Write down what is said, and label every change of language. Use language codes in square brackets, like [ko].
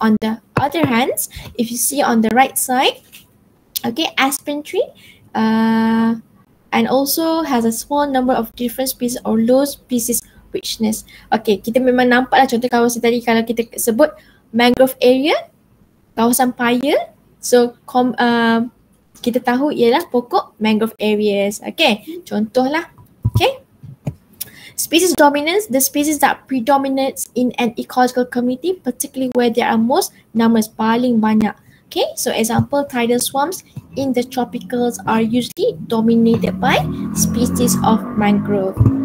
[en] On the other hand, if you see on the right side, okay, aspen tree, and also has a small number of different species or low species richness. [ms] Okay, kita memang nampaklah contoh kawasan tadi, kalau kita sebut mangrove area, kawasan paya, so kita tahu ialah pokok mangrove areas. Okay, contohlah, okay. [en] Species dominance, the species that predominates in an ecological community, particularly where there are most numbers, [ms] paling banyak. [en] Okay, so example, tidal swarms in the tropicals are usually dominated by species of mangrove.